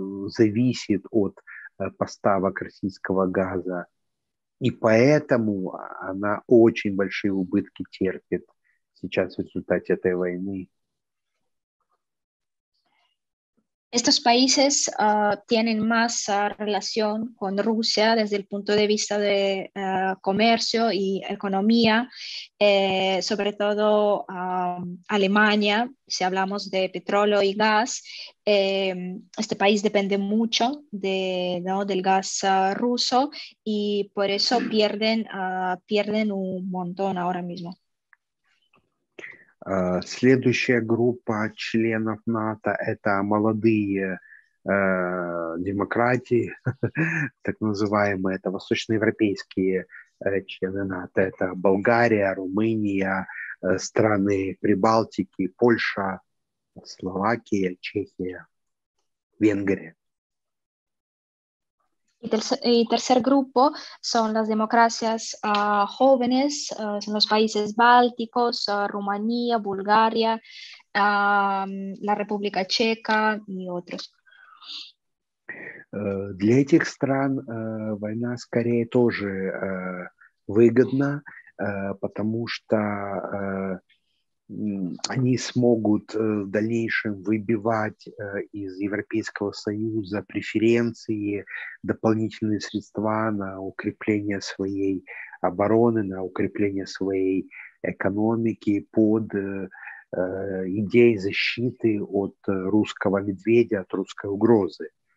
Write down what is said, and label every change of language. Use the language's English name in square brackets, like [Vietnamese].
[Russian] зависит от поставок российского газа, и поэтому она очень большие убытки терпит сейчас в результате этой войны. [Spanish] Estos países tienen más relación con Rusia desde el punto de vista de comercio y economía, sobre todo Alemania, si hablamos de petróleo y gas. Este país depende mucho de, ¿no? del gas ruso y por eso pierden un montón ahora mismo. [Russian] Следующая группа членов НАТО – это молодые демократии, так называемые, это восточноевропейские члены НАТО. Это Болгария, Румыния, страны Прибалтики, Польша, Словакия, Чехия, Венгрия. [Spanish] Y tercer grupo son las democracias jóvenes, son los países bálticos, Rumanía, Bulgaria, la República Checa y otros. [Russian] Для этих стран война скорее тоже выгодна, потому что они смогут в дальнейшем выбивать из Европейского Союза преференции, дополнительные средства на укрепление своей обороны, на укрепление своей экономики под идеей защиты от русского медведя, от русской угрозы.